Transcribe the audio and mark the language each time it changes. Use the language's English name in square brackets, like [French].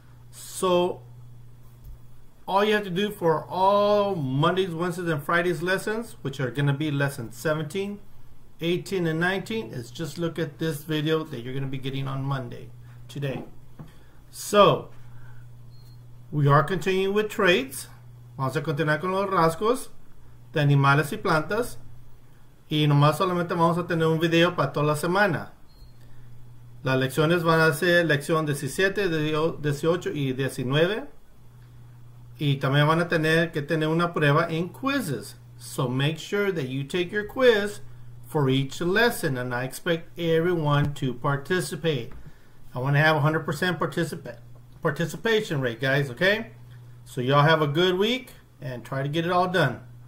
[English] So all you have to do for all Mondays, Wednesdays, and Fridays lessons, which are going to be lesson 17, 18, and 19, is just look at this video that you're going to be getting on Monday today. So we are continuing with traits. [Spanish] Vamos a continuar con los rasgos de animales y plantas, y nomás solamente vamos a tener un video para toda la semana. Las lecciones van a ser lección 17, 18 y 19, y también van a tener que tener una prueba en quizzes. [English] So make sure that you take your quiz for each lesson, and I expect everyone to participate. I want to have 100% participation rate, guys, okay? So y'all have a good week and try to get it all done.